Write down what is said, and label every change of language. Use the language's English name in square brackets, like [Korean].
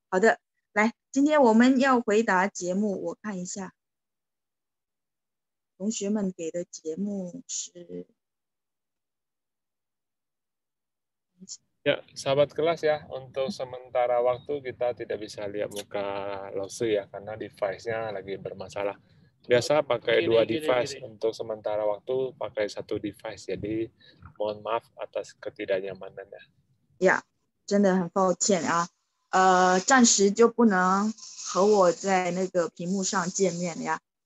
[Chinese] 好的，来，今天我们要回答节目，我看一下，同学们给的节目是。 [Indonesian] Ya, sahabat kelas ya, untuk sementara waktu kita tidak bisa lihat muka Losu ya, karena device-nya lagi bermasalah. Biasa pakai gini, dua device, gini. Untuk sementara waktu pakai satu device, jadi mohon maaf atas ketidaknyamanannya. [Chinese] Ya, 真的很抱歉啊，暂时就不能和我在那个屏幕上见面ya.